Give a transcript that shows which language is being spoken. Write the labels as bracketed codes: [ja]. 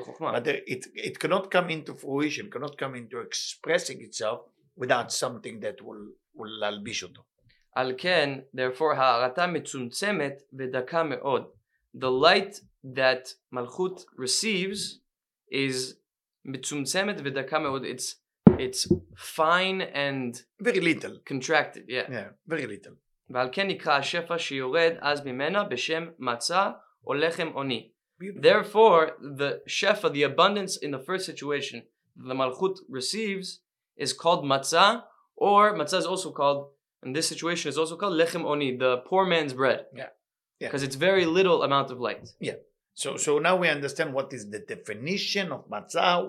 [en] But it cannot come into fruition, cannot come into expressing itself without something that will [he] lalbish oto. Al ken, [en] therefore, [he] ha'arata mitzumtzemet v'daka me'od. [en] The light that Malchut receives is [he] mitzumtzemet v'daka me'od. [en] It's fine and very little contracted, yeah very little. [he] ועל כן נקרא השפע שיורד אז ממנה בשם מצה או לחם עוני. [en] Therefore, the shefa, the abundance in the first situation that the Malchut receives is called matzah, or matzah is also called, in this situation, is also called lechem oni, the poor man's bread. Yeah. Because it's very little amount of light. Yeah. So now we understand what is the definition of matzah.